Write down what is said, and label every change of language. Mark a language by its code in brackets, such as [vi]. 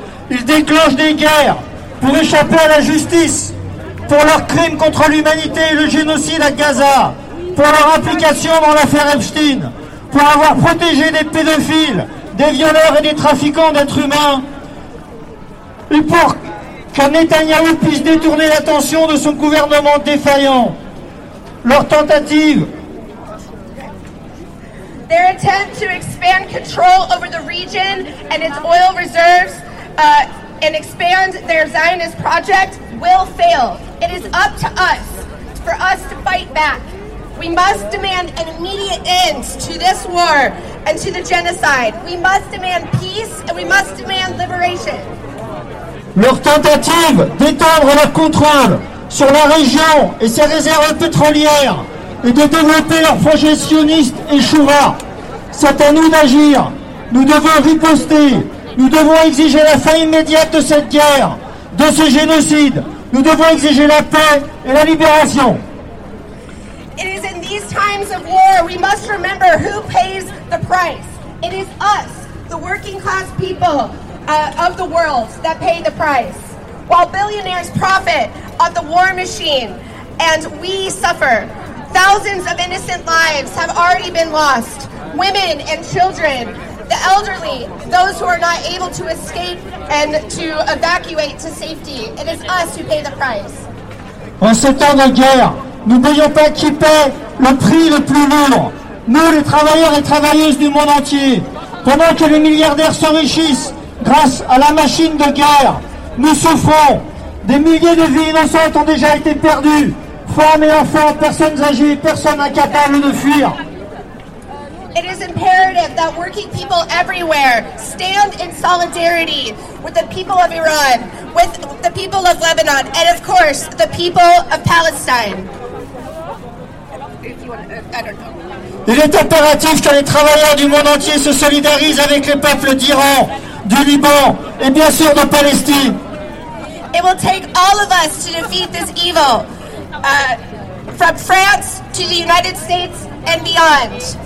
[fr] Ils déclenchent des guerres pour échapper à la justice, pour leurs crimes contre l'humanité et le génocide à Gaza, pour leur implication dans l'affaire Epstein, pour avoir protégé des pédophiles, des violeurs et des trafiquants d'êtres humains, et pour que Netanyahu puisse détourner l'attention de son gouvernement défaillant. Leur tentative... [en] Their attempt to expand control over the region and its oil reserves and expand their Zionist project will fail. It is up to us, for us to fight back. We must demand an immediate end to this war and to the genocide. We must demand peace and we must demand liberation. [fr] Leur tentative d'étendre leur contrôle sur la région et ses réserves pétrolières et de développer leur projet sioniste échouera. C'est à nous d'agir. Nous devons riposter. Nous devons exiger la fin immédiate de cette guerre, de ce génocide. Nous devons exiger la paix et la libération. [en] It is in these times of war we must remember who pays the price. It is us, the working class people of the world, that pay the price. While billionaires profit on the war machine and we suffer, thousands of innocent lives have already been lost. Women and children, the elderly, those who are not able to escape and to evacuate to safety. It is us who pay the price. [fr] En ce temps de guerre, n'oublions pas qui paie le prix le plus lourd. Nous, les travailleurs et travailleuses du monde entier, pendant que les milliardaires s'enrichissent grâce à la machine de guerre, nous souffrons. Des milliers de vies innocentes ont déjà été perdues. Femmes et enfants, personnes âgées, personnes incapables de fuir. [en] It is imperative that working people everywhere stand in solidarity with the people of Iran, with the people of Lebanon, and of course, the people of Palestine. [fr] Il est impératif que les travailleurs du monde entier se solidarisent avec les peuples d'Iran, du Liban, et bien sûr de Palestine. [en] It will take all of us to defeat this evil, from France to the United States and beyond.